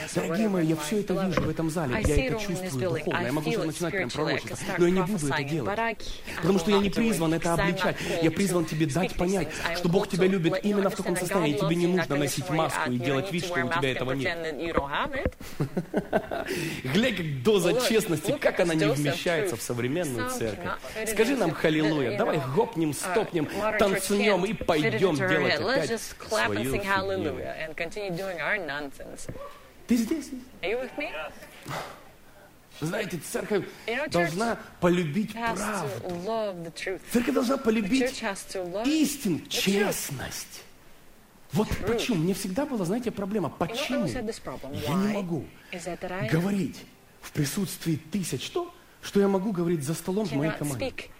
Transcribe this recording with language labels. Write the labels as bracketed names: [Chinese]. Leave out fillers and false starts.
[Russian] Дорогие мои, я все это вижу в этом зале, я это чувствую духовно, я могу уже начинать прям пророчиться, но я не буду это делать, потому что я не призван это обличать, я призван тебе дать понять, что Бог тебя любит именно в таком состоянии, тебе не нужно носить маску и делать вид, что у тебя этого нет. Глянь, как доза честности, как она не вмещается в современную церковь. Скажи нам халилуя, давай гопнем, стопнем, танцнем и пойдем. Идем делать опять [English] Let's just clap and sing hallelujah and continue doing our nonsense. [Russian] Ты здесь? [English] Are you with me? [Russian] Знаете, церковь должна полюбить правду. Церковь должна полюбить истину, честность. Вот почему. Мне всегда была, знаете, проблема. Почему я не могу говорить в присутствии тысяч то, что я могу говорить за столом в моей команде?